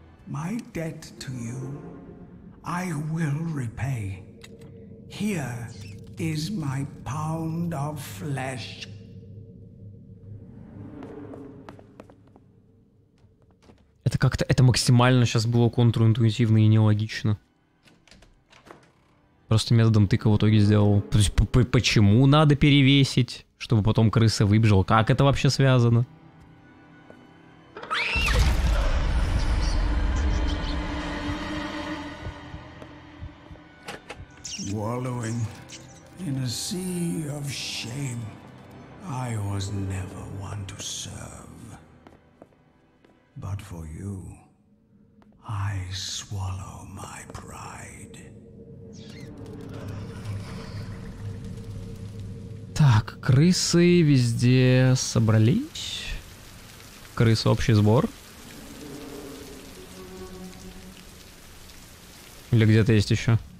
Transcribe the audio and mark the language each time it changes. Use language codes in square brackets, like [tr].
[en] My debt to you, I will repay. Here is my pound of flesh. [ru] Это как-то, это максимально сейчас было контринтуитивно и нелогично. Просто методом тыка в итоге сделал. То есть, почему надо перевесить, чтобы потом крыса выбежала? Как это вообще связано? [en] Wallowing in a sea of shame, I was never one to serve. But for you, I swallow my pride. [ru] Так, крысы везде собрались. Крысы, общий сбор. Или где-то есть еще?